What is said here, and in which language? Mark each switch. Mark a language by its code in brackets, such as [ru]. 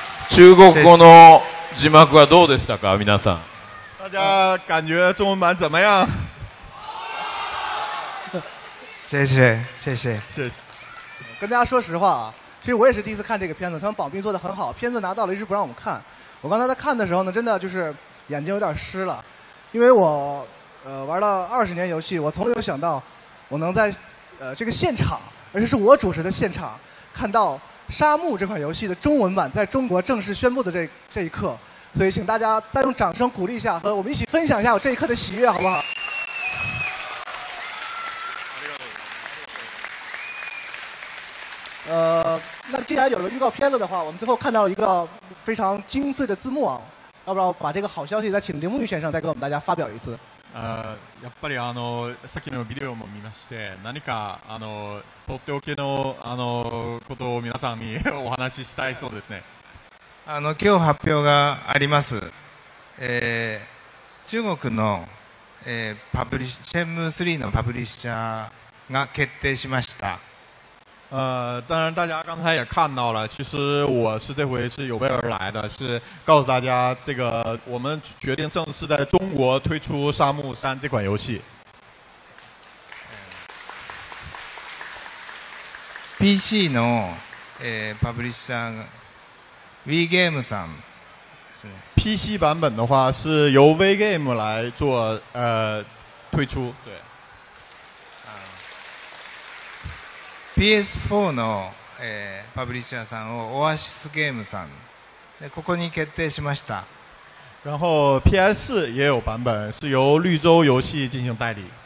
[ja] 中国語の字幕はどうでしたか、皆さん。 [zh] 大家感觉中文版怎么样？谢谢谢谢谢谢。跟大家说实话啊，其实我也是第一次看这个片子，他们保密做得很好，片子拿到了一直不让我们看。我刚才在看的时候呢，真的就是眼睛有点湿了，因为我玩了20年游戏，我从没有想到我能在这个现场，而且是我主持的现场看到。沙漠这款游戏的中文版在中国正式宣布的这一刻，所以请大家再用掌声鼓励一下，和我们一起分享一下我这一刻的喜悦，好不好？那既然有了预告片子的话，我们最后看到一个非常精粹的字幕啊，要不然我把这个好消息再请铃木玉先生再给我们大家发表一次。 [ja] やっぱりさっきのビデオも見まして、何かとっておき の, ことを皆さんにお話ししたいそうですね。今日発表があります。中国の、パブリッシェンムー3のパブリッシャーが決定しました。 [zh] 当然大家刚才也看到了，其实我是这回是有备而来的，是告诉大家这个我们决定正式在中国推出《沙漠三》这款游戏。 [ja] PC のパブリッシャー、Wii Game さん、ですね。 [zh] PC 版本的话是由 V Game 来做推出。对。 [ja] PS4 の、パブリッシャーさんをオアシスゲームさんでここに決定しました。 [zh] 然后 PS4 也有版本是由绿洲游戏进行代理。